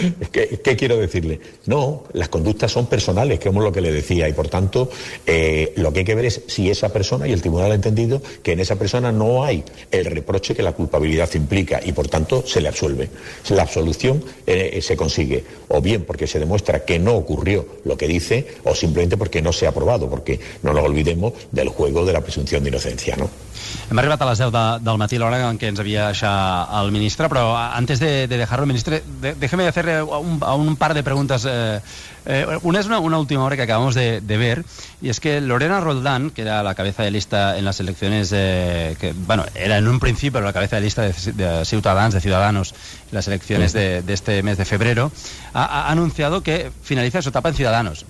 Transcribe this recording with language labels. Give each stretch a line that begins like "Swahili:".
Spanish: ¿Qué quiero decirle? No, las conductas son personales, que es lo que le decía, y por tanto lo que hay que ver es si esa persona, y el tribunal ha entendido que en esa persona no hay el reproche que la culpabilidad implica, y por tanto se le absuelve. La absolución se consigue o bien porque se demuestra que no ocurrió lo que dice, o simplemente porque no se ha aprovado, porque no nos olvidemos del juego de la presunción de inocencia, ¿no?
Catalan: Hem arribat a les 10 del matí, l'hora en què ens havia deixat el ministre, però
Spanish: antes de dejarlo, ministre, déjeme hacerle un par de preguntas. Una es una última hora que acabamos de ver, y es que Lorena Roldán, que era la cabeza de lista en las elecciones, que, bueno, era en un principio la cabeza de lista de Ciudadanos las elecciones de este mes de febrero, ha anunciado que finaliza su etapa en Ciudadanos.